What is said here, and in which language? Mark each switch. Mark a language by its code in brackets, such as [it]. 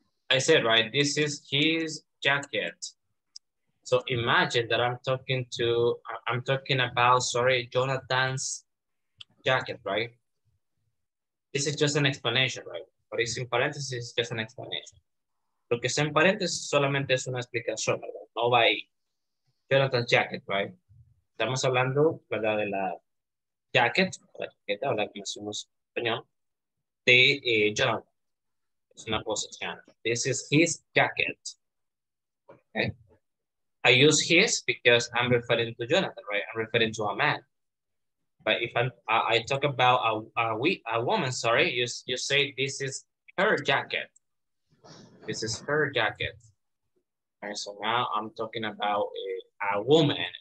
[en] I said, right, this is his jacket. So imagine that I'm talking about Jonathan's jacket, right? This is just an explanation, right? But it's in parentheses, it's just an explanation. [es] Lo que está en paréntesis solamente es una explicación, ¿verdad? No va ahí. [en] Jonathan's jacket, right? [es] Estamos hablando, ¿verdad? De la chaqueta, o la que decimos en español, de Jonathan. Es una posición. [en] This is his jacket. Okay? I use his because I'm referring to Jonathan, right? I'm referring to a man. But if I talk about a woman, sorry, you say this is her jacket. This is her jacket. All right, so now I'm talking about a woman.